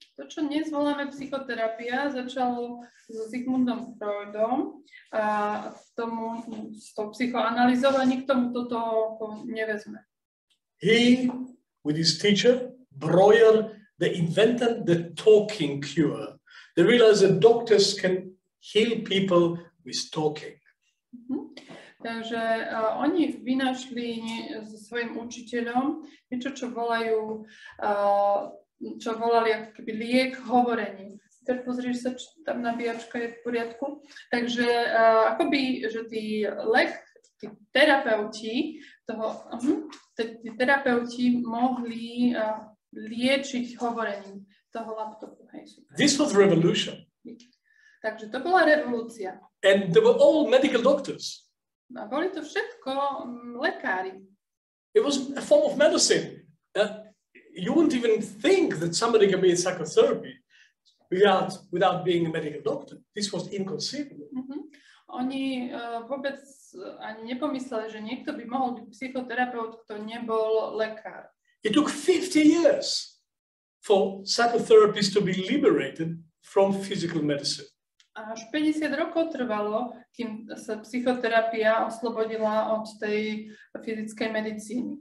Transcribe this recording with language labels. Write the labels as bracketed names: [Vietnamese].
[Slovak] To, čo dnes voláme psychoterapia, začalo so Sigmundom Freudom a tomu, s tou psychoanalýzou a nikto mu toto nevezme. [English] He, with his teacher, Breuer, they invented the talking cure. They realized that doctors can heal people with talking. [Slovak] Takže oni vynašli so svojim učiteľom niečo, čo volajú čo volali ako keby liek hovorení. Teraz pozrieš sa, či tam nabíjačka je v poriadku. Takže akoby, že tí terapeuti mohli liečiť hovorením toho laptopu. Hej, [English] this was revolution. [Slovak] Takže to bola revolúcia. [English] And they were all medical doctors. [Slovak] A boli to všetko lekári. [English] It was a form of medicine. You wouldn't even think that somebody can be a psychotherapist without being a medical doctor. This was inconceivable. [Slovak] Oni vôbec ani nepomysleli, že niekto by mohol byť psychoterapeut, kto nebol lekár. [English] It took 50 years for psychotherapists to be liberated from physical medicine. [Slovak] Až 50 rokov trvalo, kým sa psychoterapia oslobodila od tej fyzickej medicíny.